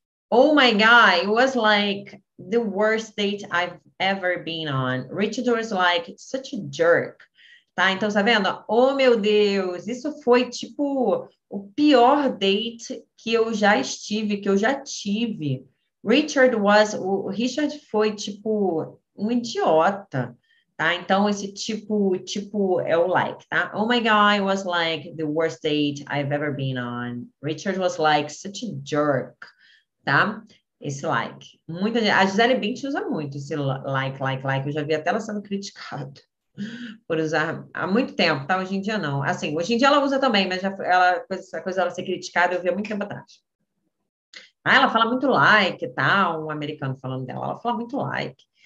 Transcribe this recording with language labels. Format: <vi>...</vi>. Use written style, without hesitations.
<en>Oh my God, it was like the worst date I've ever been on. Richard was like, it's such a jerk.</en> <pt>Tá? Então, tá vendo? Oh, meu Deus, isso foi tipo o pior date que eu já estive, que eu já tive. O Richard foi tipo um idiota. Tá? Então, esse tipo é o like, tá?</pt> <en>Oh my God, it was like the worst date I've ever been on. Richard was like such a jerk,</en> <pt>tá? Esse</pt> <en>like.</en> <pt>Muita gente, a Gisele Bündchen usa muito esse like. Eu já vi até ela sendo criticada por usar há muito tempo, tá? Hoje em dia não. Assim, hoje em dia ela usa também, mas já, ela, essa coisa dela ser criticada eu vi há muito tempo atrás. Ah, ela fala muito like, tá? Um americano falando dela, ela fala muito like.</pt>